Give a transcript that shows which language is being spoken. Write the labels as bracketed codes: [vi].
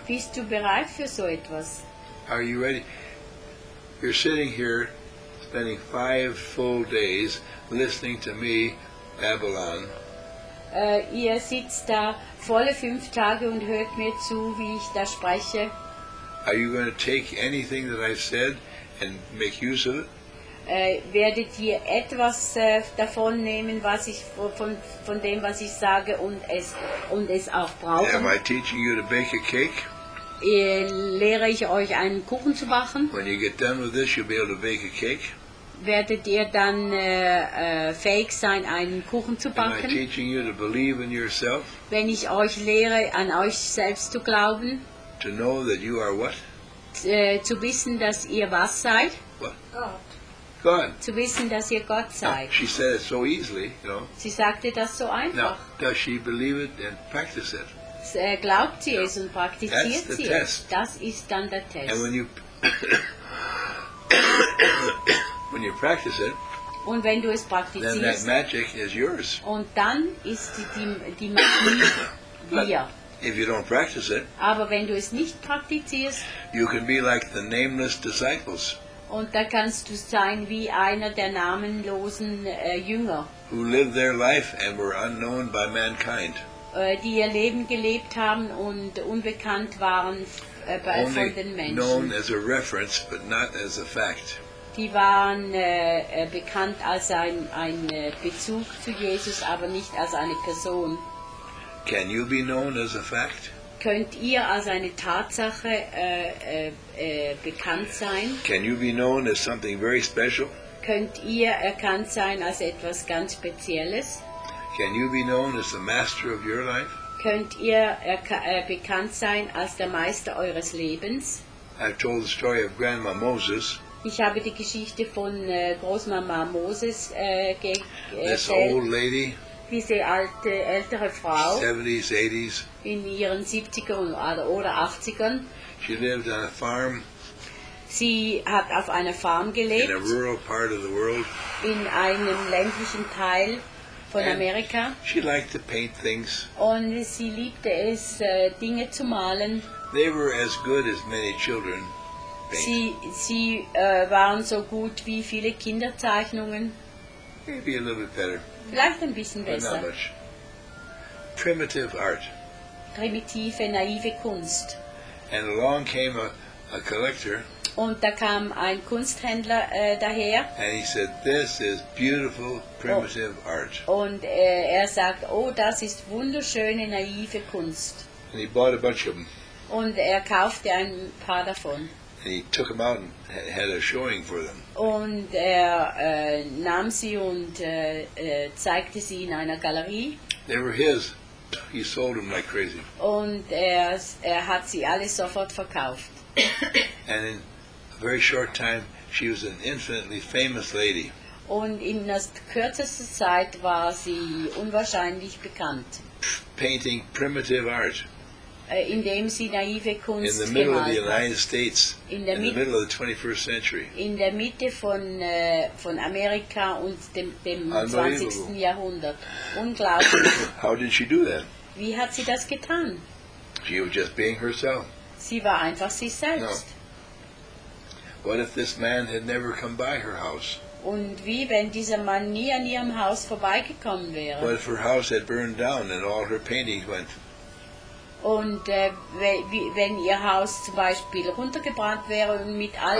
[de] Bist du bereit für so etwas? [en] Are you ready? You're sitting here, spending 5 full days listening to me, Babylon. [de] Ihr sitzt da volle 5 Tage und hört mir zu, wie ich da spreche. [en] Are you going to take anything that I've said and make use of it? [de] Werdet ihr etwas davon nehmen, was ich von dem, was ich sage, und es auch brauchen? [en] Am I teaching you to bake a cake? [de] lehre ich euch einen Kuchen zu machen. [en] When you get done with this, you'll be able to bake a cake. [de] Werdet ihr dann fähig sein, einen Kuchen zu backen? [en] Am I teaching you to believe in yourself? [de] Wenn ich euch lehre, an euch selbst zu glauben. [en] To know that you are what? [de] Zu wissen, dass ihr was seid. [en] What? God. [de] Zu wissen, dass ihr Gott seid. [en] She said it so easily, you know. [de] Sie sagte das so einfach. [en] Now, does she believe it and practice it? [de] Glaubt sie es und praktiziert sie es? [en] That's the test. [de] Das ist dann der Test. [en] And when you when you practice it, [de] und wenn du es praktizierst, [en] then that magic is yours. [de] Und dann ist die Magie dir. [en] If you don't practice it, [de] aber wenn du es nicht praktizierst, [en] you can be like the nameless disciples. [de] Und da kannst du sein wie einer der namenlosen Jünger. [en] Who lived their life and were unknown by mankind. [de] Die ihr Leben gelebt haben und unbekannt waren von den Menschen. [en] Only known as a reference, but not as a fact. [de] Die waren bekannt als ein Bezug zu Jesus, aber nicht als eine Person. [en] Can you be known as a fact? [de] Könnt ihr als eine Tatsache bekannt sein? [en] Can you be known as something very special? [de] Könnt ihr erkannt sein als etwas ganz Spezielles? [en] Can you be known as the master of your life? [de] Könnt ihr bekannt sein als der Meister eures Lebens? [en] I've told the story of Grandma Moses. [de] Ich habe die Geschichte von Großmama Moses [en] This old lady. [de] Diese alte, ältere Frau [en] 70s, 80s, [de] in ihren 70ern oder 80ern. [en] She lived on a farm, [de] sie hat auf einer Farm gelebt. [en] In a rural part of the world. [de] In einem ländlichen Teil von [en] And [de] Amerika. [en] She liked to paint things. [de] Und sie liebte es, Dinge zu malen. [en] They were as good as many children paint. [de] Sie waren so gut wie viele Kinderzeichnungen. [en] Maybe a little bit better. [de] Vielleicht ein bisschen besser. [en] But not much. Primitive art. [de] Primitive, naive Kunst. [en] And along came a collector. [de] Und da kam ein Kunsthändler daher. [en] And he said, "This is beautiful primitive art." [de] Und sagt, "Oh, das ist wunderschöne naive Kunst." [en] And he bought a bunch of them. [de] Und kaufte ein paar davon. [en] And he took them out and had a showing for them. [de] Und nahm sie und zeigte sie in einer Galerie. [en] They were his. He sold them like crazy. [de] Und hat sie alle sofort verkauft. [en] And in a very short time, she was an infinitely famous lady. [de] Und in der kürzesten Zeit war sie unwahrscheinlich bekannt. [en] Painting primitive art. [de] Indem sie naive Kunst [en] in the middle of the United States, [de] in [en] the middle of the 21st century. [de] In der Mitte von Amerika und dem 20. Jahrhundert. Unglaublich. [en] How did she do that? [de] Wie hat sie das getan? [en] She was just being herself. [de] Sie war einfach sie selbst. [en] What if this man had never come by her house? [de] Und wie, wenn dieser Mann nie an ihrem Haus vorbeigekommen wäre? [en] What if her house had burned down and all her paintings went? [de] Und wenn ihr Haus zum Beispiel runtergebrannt wäre und mit all